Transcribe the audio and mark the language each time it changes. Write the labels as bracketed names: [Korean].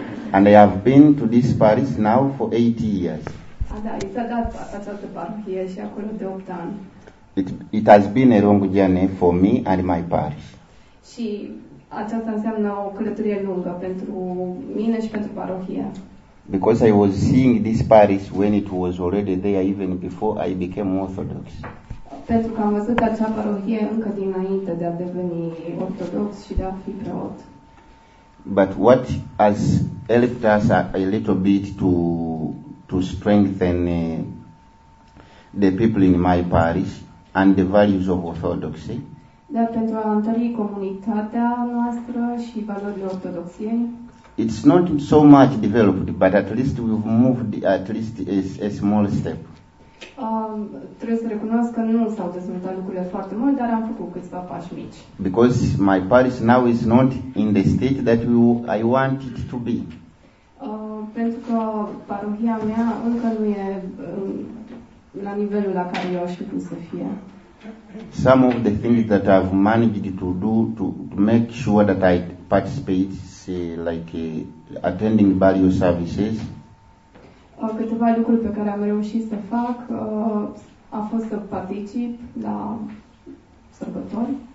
[English] And I have been to this parish now for 8 years. [Romanian] Da, i s-a dat această parohie și acolo de 8 ani. [English] It has been a long journey for me and my parish. [Romanian] Și aceasta înseamnă o călătorie lungă pentru mine și pentru parohia. [English] Because I was seeing this parish when it was already there even before I became Orthodox. [Romanian] Pentru că am văzut acea parohie încă dinainte de a deveni ortodox și de a fi preot. [English] But what has helped us a little bit to strengthen the people in my parish and the values of Orthodoxy. [Romanian] Dar pentru a întări comunitatea noastră și valorile ortodoxiei. [English] It's not so much developed, but at least we've moved at least a small step. [Romanian] Trebuie să recunosc că nu s-au dezvoltat lucrurile foarte mult, dar am făcut câțiva pași mici. [English] Because my parish now is not in the state that I want it to be. [Romanian] Pentru că parohia mea încă nu e la nivelul la care eu aș putea să fie. [English] Some of the things that I've managed to do to make sure that I participate, say, like attending various services. [Romanian] Câteva lucruri pe care am reușit să fac a fost să particip la sărbători.